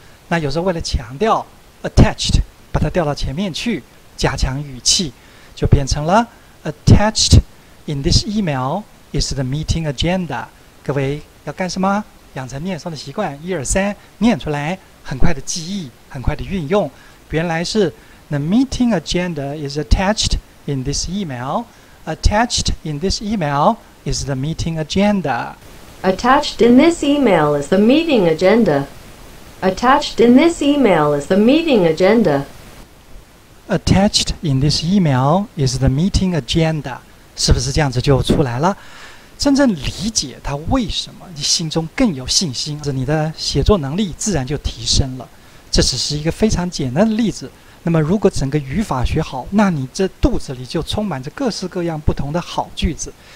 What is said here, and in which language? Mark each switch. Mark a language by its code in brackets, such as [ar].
[zh] 那有时候为了强调 attached， 把它调到前面去，加强语气，就变成了 [en] attached in this email is the meeting agenda。 [zh] 各位要干什么？养成念诵的习惯，一二三念出来，很快的记忆，很快的运用。原来是 [en] the meeting agenda is attached in this email， attached in this email is the meeting agenda。 Attached in this email is the meeting agenda。 Attached in this email is the meeting agenda。 Attached in this email is the meeting agenda。 [zh] 是不是这样子就出来了？真正理解它为什么，你心中更有信心，你的写作能力自然就提升了。这只是一个非常简单的例子。那么如果整个语法学好，那你这肚子里就充满着各式各样不同的好句子。